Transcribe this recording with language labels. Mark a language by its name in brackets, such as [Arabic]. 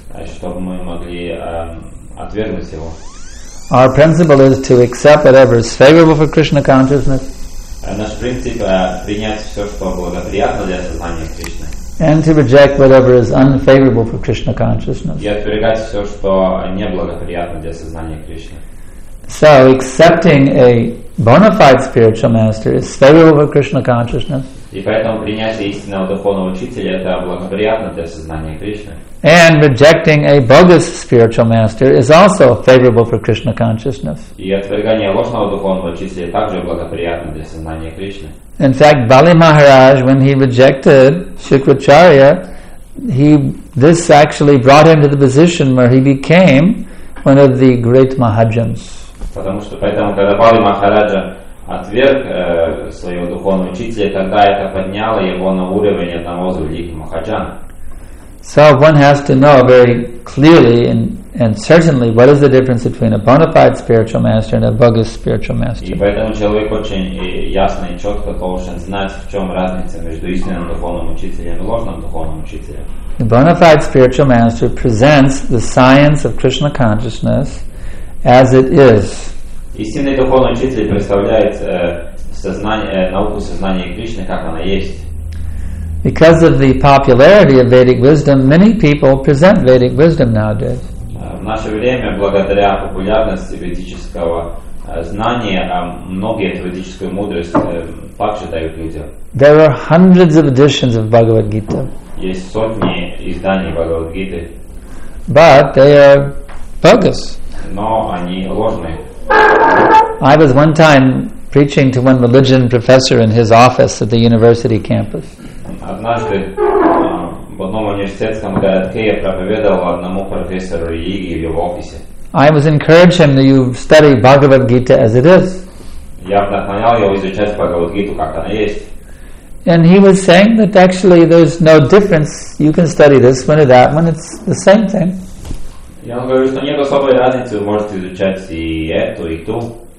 [Russian] Чтобы мы могли отвергнуть его. [English] Our principle is to accept whatever is favorable for Krishna consciousness. [Russian] Наш принцип принять все, что благоприятно для сознания Кришны. [English] And to reject whatever is unfavorable for Krishna consciousness. [Russian] И отвергать все, что неблагоприятно для сознания Кришны. [English] So accepting a bona fide spiritual master is favorable for Krishna consciousness. [Russian] И поэтому принятие истинного духовного учителя это благоприятно для сознания Кришны. [English] And rejecting a bogus spiritual master is also favorable for Krishna consciousness. [Russian] И отвергание ложного духовного учителя также благоприятно для сознания Кришны. [English] In fact, Бали Махарадж, when he rejected Shukracharya, this actually brought him to the position where he became one of the great Mahajans. [Russian] Поэтому, когда Бали Махараджа отверг своего духовного учителя, тогда это подняло его на уровень одного из великих Махаджан. [English] So one has to know very clearly and certainly what is the difference between a bona fide spiritual master and a bogus spiritual master. [Russian] И поэтому человек очень ясно и четко должен знать, в чем разница между истинным духовным учителем и ложным духовным учителем. [English] A bona fide spiritual master presents the science of Krishna consciousness as it is. [Russian] Истинный духовный учитель представляет сознание, науку сознания Кришны, как она есть. [English] Because of the popularity of Vedic wisdom, many people present Vedic wisdom nowadays. [Russian] В наше время, благодаря популярности ведического знания, многие ведическую мудрость также дают людям. [English] There are hundreds of editions of Bhagavad Gita. [Russian] Есть сотни изданий Бхагавад Гиты. [English] But they are bogus. [Russian] Но они ложные. [English] I was one time preaching to one religion professor in his office at the university campus. [Russian] Однажды в одном университетском городке я проповедовал одному профессору религии в его офисе. [English] I was encouraging him that you study Bhagavad Gita as it is. [Russian] Я вдохновлял его изучать Бхагавад Гиту как она есть. [English] And he was saying that actually there's no difference. You can study this one or that one. It's the same thing. [Russian] Я говорю, что нет особой разницы, вы можете изучать и эту, и ту.